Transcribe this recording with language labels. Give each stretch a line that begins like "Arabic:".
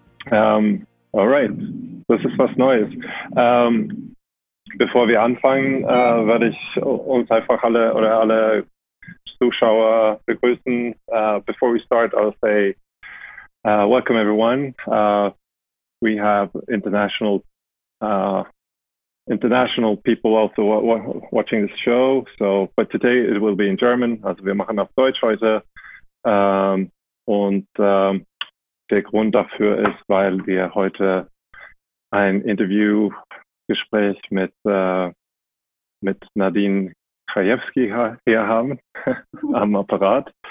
English: all right,
German: das ist was Neues. Bevor wir anfangen, werde ich uns einfach alle Zuschauer begrüßen.
English: Before we start, I'll say welcome everyone. We have international people also watching this show. So, but today it will be in German.
German: Also wir machen auf Deutsch heute. Der Grund dafür ist, weil wir heute ein Interviewgespräch mit Nadine Krajewski hier haben am Apparat.